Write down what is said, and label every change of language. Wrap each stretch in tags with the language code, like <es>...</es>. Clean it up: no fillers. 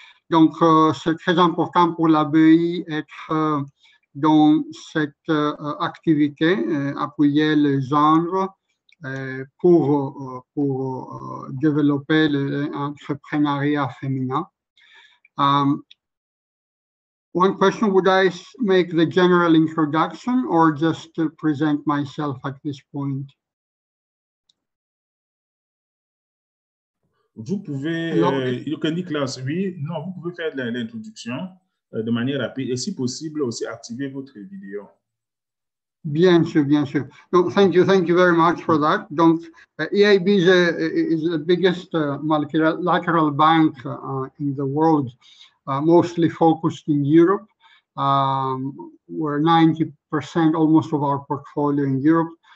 <fr>Donc, c'est très important pour l'ABI d'être dans cette activité, appuyer les genres pour développer l'entrepreneuriat féminin.</fr> <en>One question, would I make the general introduction or just to present myself at this point?</en> <fr>Vous pouvez, Niklaus, oui, non, vous pouvez faire l'introduction de manière rapide et si possible aussi activer votre vidéo. Bien sûr, bien sûr.</fr> <en>No, thank you very much for that. Donc, EIB is the biggest multilateral bank in the world, mostly focused in Europe. We're 90% almost of our portfolio in Europe.</en>